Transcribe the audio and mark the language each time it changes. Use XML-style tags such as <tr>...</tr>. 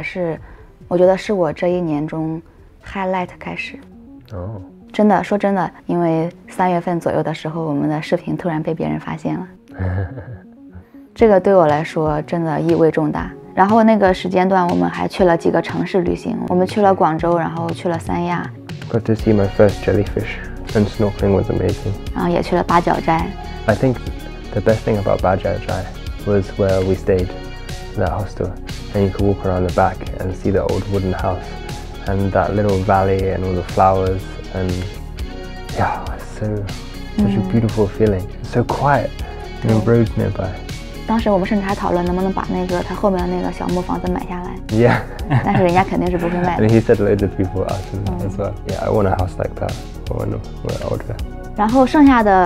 <zh>我觉得就是我们回阳朔的时候，也是，我觉得是我这一年中 highlight 开始。哦，真的，说真的，因为三月份左右的时候，我们的视频突然被别人发现了，这个对我来说真的意味重大。然后那个时间段，我们还去了几个城市旅行，我们去了广州，然后去了三亚。</zh> <en>Got to see my first jellyfish and snorkeling was amazing.</en> <zh>然后也去了八角斋。</zh> <en>I think the best thing about 八角斋 was where we stayed. That hostel, and you could walk around the back and see the old wooden house and that little valley and all the flowers, and yeah, it's so such a beautiful feeling. It's so quiet, no roads nearby.</en> <zh>当时我们甚至还讨论能不能把那个他后面那个小木房子买下来.</zh> <en>Yeah.</en> <zh>但是人家肯定是不会卖的.</zh> <en>And he said loads of people asked him as well. Yeah, I want a house like that when we're older.</en>